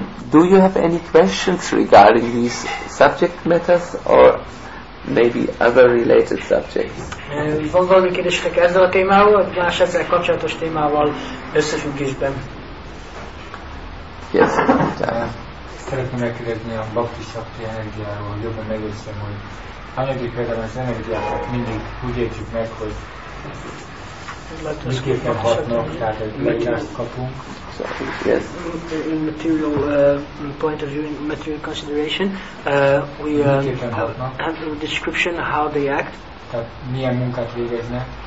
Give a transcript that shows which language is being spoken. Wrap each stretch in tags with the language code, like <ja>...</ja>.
<en>Do you have any questions regarding these subject matters or maybe other related subjects?</en> <hu>Van valami kérdésetek ezzel a témával, vagy más ezzel kapcsolatos témával összefüggésben?</hu> <en>Yes.</en> <hu>Szeretném megkérdezni a bhakti shakti energiáról, jobban megértsem, hogy anyagi például az energiákat mindig úgy értjük meg, hogy</hu> <en>in material point of view, in material consideration, we have a description how they act.</en> <hu>Tehát milyen munkát végeznek.</hu>